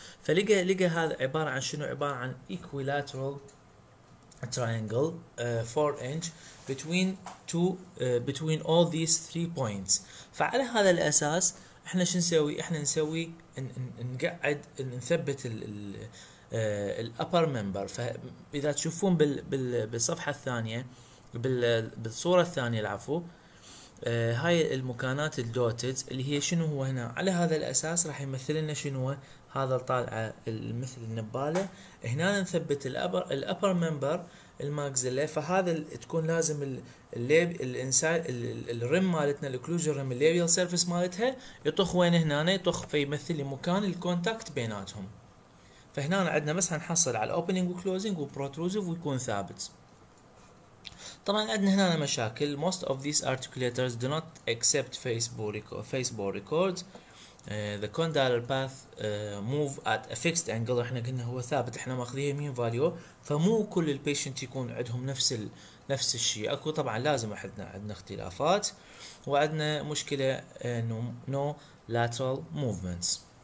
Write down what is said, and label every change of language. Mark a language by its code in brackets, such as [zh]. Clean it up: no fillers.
[ar] فلقى هذا عبارة عن [en] شنو؟ عبارة عن equilateral triangle 4 inch between two between all these three points. [ar] فعلى هذا الأساس احنا شو نسوي؟ احنا نسوي نقعد نثبت ال upper member. فإذا تشوفون بالصفحة الثانية بالصورة الثانية العفو، هاي المكانات الدوتد اللي هي شنو هو هنا؟ على هذا الأساس راح يمثل لنا شنو؟ هذا طالعة مثل النبالة، هنا نثبت الأبر ممبر الماكزيلا. فهذا تكون لازم الرم مالتنا، الكلوجر رم، الليبيال سيرفيس مالتها يطخ وين؟ هنا يطخ، فيمثل مكان الكونتاكت بيناتهم. فهنا عندنا بس هنحصل على الأوبننج وكلوزنج وبروتروزف ويكون ثابت. طبعا عندنا هنا مشاكل، [en] most of these articulators do not accept face-ball records. The condyler path move at a fixed angle. [ar] احنا قلنا هو ثابت، احنا ماخذيه مين فاليو، فمو كل البيشنت يكون عندهم نفس الشيء. اكو طبعا لازم عندنا اختلافات، وعندنا مشكله [en] no lateral movements.